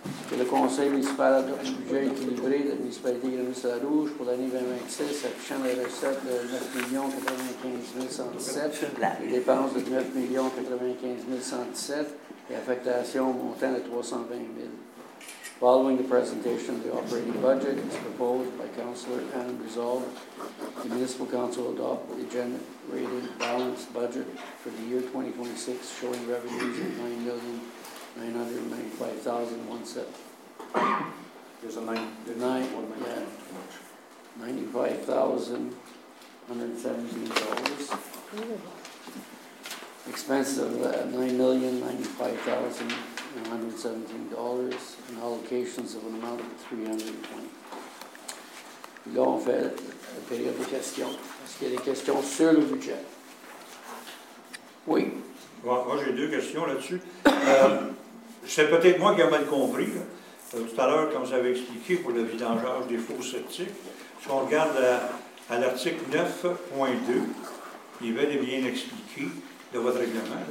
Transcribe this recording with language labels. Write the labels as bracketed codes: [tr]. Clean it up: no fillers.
[fr] Que le conseil municipal adopte le budget équilibré de la municipalité Grenoble-Sarrouge pour l'année 2026, affichant la recette de 9 095 107, les dépenses de 9 095 107, et affectation au montant de 320 000. [en] Following the presentation of the operating budget as proposed by Councillor and resolved, the Municipal Council adopted the generated balanced budget for the year 2026, showing revenues of $95,117. Expenses of $9,095,117 and allocations of an amount of $320. [fr] Là, on fait la période de questions. Est-ce qu'il y a des questions sur le budget? Oui. Bon, moi, j'ai deux questions là-dessus. c'est peut-être moi qui ai mal compris. Tout à l'heure, quand vous avez expliqué pour le vidangeage des faux sceptiques, si on regarde à l'article 9.2, il va être bien expliqué de votre règlement.